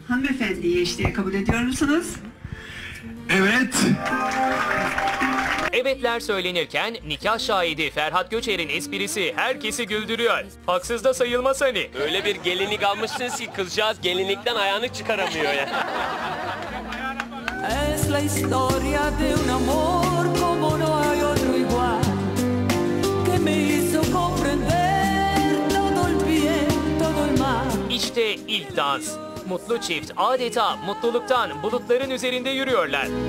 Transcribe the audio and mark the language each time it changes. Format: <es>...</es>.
<tr>Hanımefendiyi eşliğe kabul ediyor musunuz? Evet. evetler söylenirken nikah şahidi Ferhat Göçer'in esprisi herkesi güldürüyor. Haksız da sayılmaz hani. Öyle bir gelinlik almışsınız ki kızcağız gelinlikten ayağını çıkaramıyor ya.</tr> <es>Es la historia de un amor como no hay otro igual que me hizo comprender todo el bien, todo el mal.</es> <tr>İşte ilk dans. Mutlu çift adeta mutluluktan bulutların üzerinde yürüyorlar.</tr>